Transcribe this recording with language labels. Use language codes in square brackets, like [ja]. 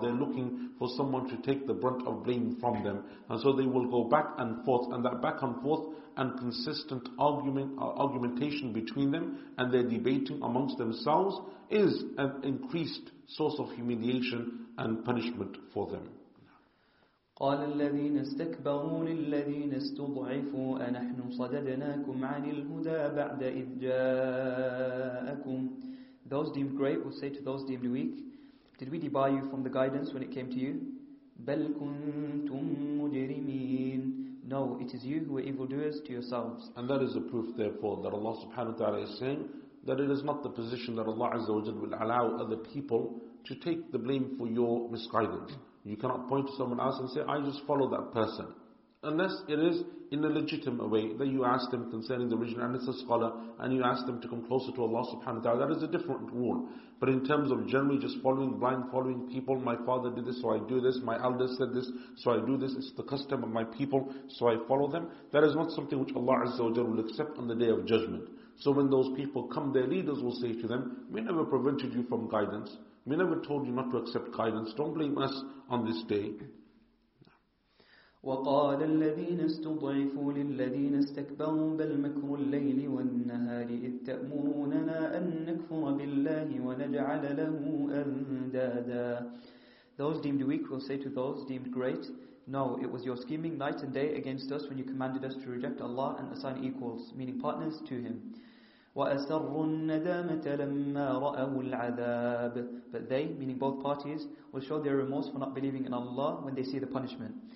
[en] They're looking for someone to take the brunt of blame from them. And so they will go back and forth. And that back and forth and consistent argumentation between them and their debating amongst themselves is an increased source of humiliation and punishment for them. [ar] قال الذين استكبروا للذين استضعفوا أنحن صددناكم عن الهدى بعد إذ جاءكم. [en] Those deemed great will say to those deemed weak, did we debar you from the guidance when it came to you? [ar] بل كنتم مجرمين. [en] No, it is you who are evildoers to yourselves. And that is a proof therefore that Allah subhanahu wa ta'ala is saying that it is not the position that Allah Azza wa Jalla will allow other people to take the blame for your misguidance. You cannot point to someone else and say, I just follow that person. Unless it is in a legitimate way that you ask them concerning the religion and it's a scholar and you ask them to come closer to Allah subhanahu wa ta'ala. That is a different rule. But in terms of generally just blind following people, my father did this, so I do this, my elders said this, so I do this, it's the custom of my people, so I follow them. That is not something which Allah Azza wa Jalla will accept on the Day of Judgment. So when those people come, their leaders will say to them, we never prevented you from guidance. We never told you not to accept guidance. Don't blame us on this day. [ar] وقال الذين استضعفوا للذين استكبروا بل مكروا الليل والنهار إذ تأمروننا أن نكفر بالله ونجعل له أندادا. [en] Those deemed weak will say to those deemed great, no, it was your scheming night and day against us when you commanded us to reject Allah and assign equals, meaning partners, to Him. [ar] وَأَسَرُّ النَّدَامَةَ لَمَّا رَأَهُ الْعَذَابِ. [en] But they, meaning both parties, will show their remorse for not believing in Allah when they see the punishment.